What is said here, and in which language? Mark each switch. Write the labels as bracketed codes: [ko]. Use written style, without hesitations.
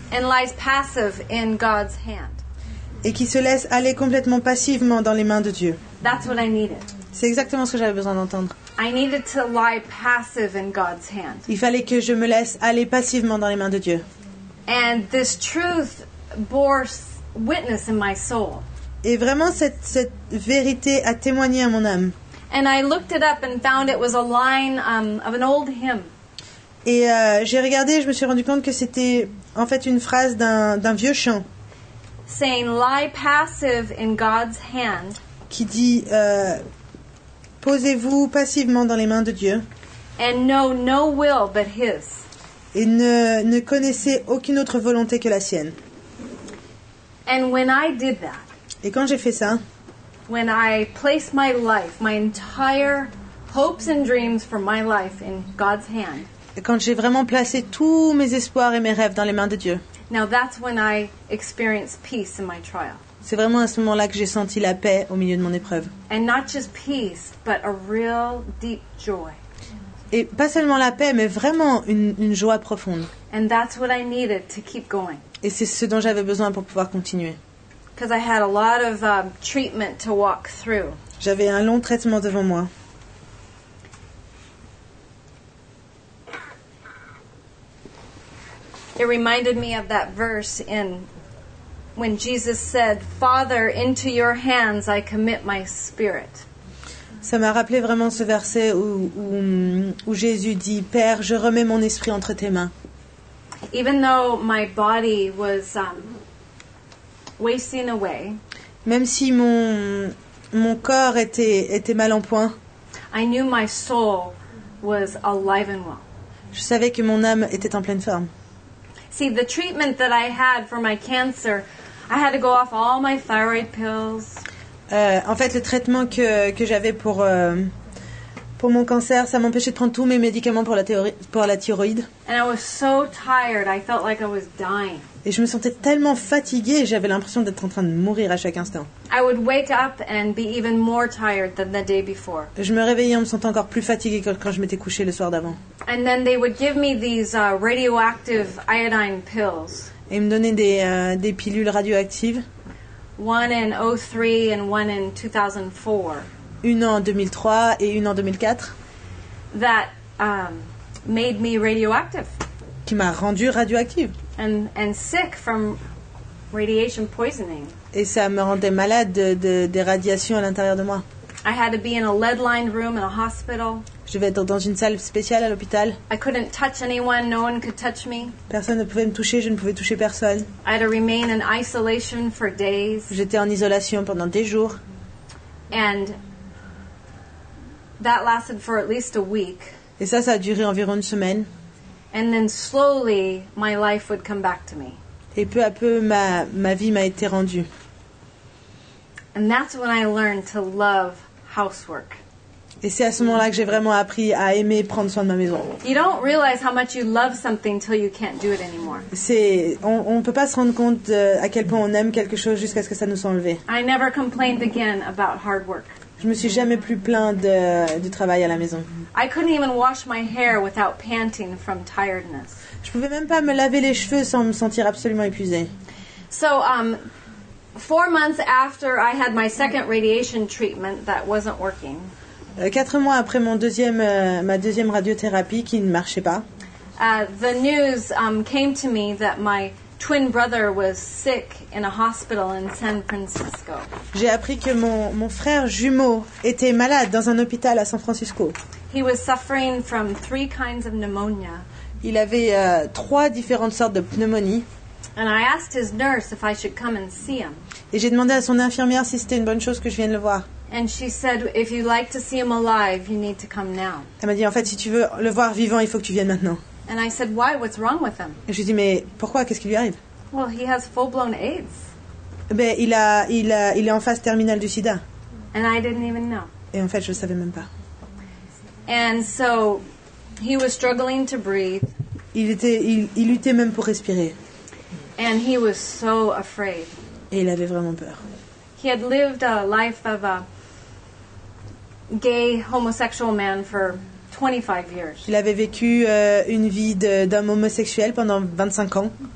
[en] And lies passive in God's hand. [fr] Et qui se laisse aller complètement passivement dans les mains de Dieu. [en] That's what I needed. [fr] C'est exactement ce que j'avais besoin d'entendre. [en] I needed to lie passive in God's hand. [fr] Il fallait que je me laisse aller passivement dans les mains de Dieu. [en] And this truth bore witness in my soul. [fr] Et vraiment, cette vérité a témoigné à mon âme. [en] And I looked it up and found it was a line of an old hymn. [fr] Et j'ai regardé et je me suis rendu compte que c'était en fait une phrase d'un vieux chant. [en] Saying lie passive in God's hand. [fr] Qui dit posez-vous passivement dans les mains de Dieu. [en] And know no will but His. [fr] Et ne connaissez aucune autre volonté que la sienne. [en] And when I did that. [fr] Et quand j'ai fait ça. [en] When I placed my life, my entire hopes and dreams for my life in God's hand. [fr] Et quand j'ai vraiment placé tous mes espoirs et mes rêves dans les mains de Dieu. [en] Now that's when I experienced peace in my trial. [fr] C'est vraiment à ce moment-là que j'ai senti la paix au milieu de mon épreuve. [en] And not just peace, but a real deep joy. [fr] Et pas seulement la paix, mais vraiment une joie profonde. [en] And that's what I needed to keep going. [fr] Et c'est ce dont j'avais besoin pour pouvoir continuer. [en] Because I had a lot of treatment to walk through. [fr] J'avais un long traitement devant moi. [en] It reminded me of that verse in when Jesus said, "Father, into your hands I commit my spirit." [fr] Ça m'a rappelé vraiment ce verset où Jésus dit, "Père, je remets mon esprit entre tes mains." [en] Even though my body was wasting away, [fr] même si mon corps était mal en point, [en] I knew my soul was alive and well. [fr] Je savais que mon âme était en pleine forme. [en] See, the treatment that I had for my cancer, I had to go off all my thyroid pills. [fr] En fait, le traitement que j'avais pour mon cancer, ça m'empêchait de prendre tous mes médicaments pour la thyroïde. [en] And I was so tired, I felt like I was dying. [fr] Et je me sentais tellement fatiguée, j'avais l'impression d'être en train de mourir à chaque instant. [en] I would wake up and be even more tired than the day before. [fr] Je me réveillais en me sentant encore plus fatiguée que quand je m'étais couchée le soir d'avant. [en] And then they would give me these radioactive iodine pills. [fr] Et ils me donnaient des pilules radioactives. [en] One in 03 and one in 2004. [fr] Une en 2003 et une en 2004. [en] That made me radioactive. [fr] Qui m'a rendu radioactive. [en] And sick from radiation poisoning. [fr] Et ça me rendait malade des radiations à l'intérieur de moi. [en] I had to be in a lead-lined room in a hospital. [fr] Je devais être dans une salle spéciale à l'hôpital. [en] I couldn't touch anyone, no one could touch me. [fr] Personne ne pouvait me toucher, je ne pouvais toucher personne. [en] I had to remain in isolation for days. [fr] J'étais en isolation pendant des jours. [en] And that lasted for at least a week. [fr] Et ça a duré environ une semaine. [en] And then slowly my life would come back to me. [fr] Et peu à peu ma vie m'a été rendue. [en] And that's when I learned to love housework. [fr] Et c'est à ce moment-là que j'ai vraiment appris à aimer prendre soin de ma maison. [en] You don't realize how much you love something till you can't do it anymore. [fr] On peut pas se rendre compte à quel point on aime quelque chose jusqu'à ce que ça nous soit enlevé. [en] I never complained again about hard work. [fr] Je me suis jamais plus plaint de travail à la maison. [en] I couldn't even wash my hair without panting from tiredness. [fr] Je pouvais même pas me laver les cheveux sans me sentir absolument épuisée. [en] So, 4 months after I had my second radiation treatment that wasn't working. [fr] 4 mois après mon deuxième ma deuxième radiothérapie qui ne marchait pas. [en] The news came to me that my twin brother was sick in a hospital in San Francisco. [fr] J'ai appris que mon frère jumeau était malade dans un hôpital à San Francisco. [en] He was suffering from 3 kinds of pneumonia. [fr] Il avait 3 différentes sortes de pneumonie. [en] And I asked his nurse if I should come and see him. [fr] Et j'ai demandé à son infirmière si c'était une bonne chose que je vienne le voir. [en] And she said, if you like to see him alive, you need to come now. [fr] Elle m'a dit, en fait, si tu veux le voir vivant, il faut que tu viennes maintenant. [en] And I said, why? What's wrong with him? [fr] Et je lui ai dit, mais pourquoi? Qu'est-ce qui lui arrive? [en] Well, he has full-blown AIDS. [fr] Mais il est en phase terminale du sida. [en] And I didn't even know. [fr] Et en fait, je ne savais même pas. [en] And so, he was struggling to breathe. [fr] Il luttait même pour respirer. [en] And he was so afraid. [fr] Et il avait vraiment peur. [en] He had lived a life of a gay homosexual man for 25 years. [fr] Il avait vécu une vie d'homme homosexuel pendant 25 ans.